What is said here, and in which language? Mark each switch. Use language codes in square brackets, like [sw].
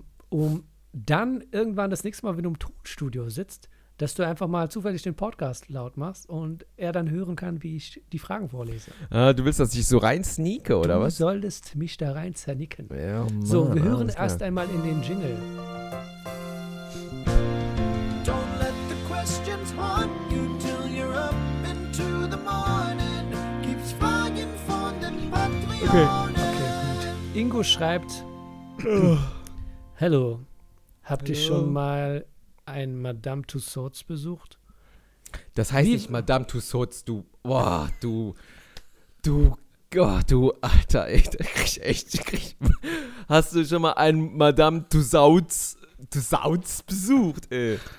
[de] Um dann irgendwann das nächste Mal, wenn du im Tonstudio sitzt, dass du einfach mal zufällig den Podcast laut machst und er dann hören kann, wie ich die Fragen vorlese. Ah, du willst, dass ich so rein sneake, oder du was? Du solltest mich da rein zernicken. Ja, Mann, so, wir hören erst einmal in den Jingle. [en] Don't let the questions haunt you till you're up into the morning. [de] Keep's fragging von den Patreonen. Okay, gut. Ingo schreibt, Hello, habt ihr schon mal ein Madame Tussauds besucht? Das heißt nicht Madame Tussauds, du, boah, du, oh, du, Alter, echt, hast du schon mal ein Madame Tussauds besucht, ey?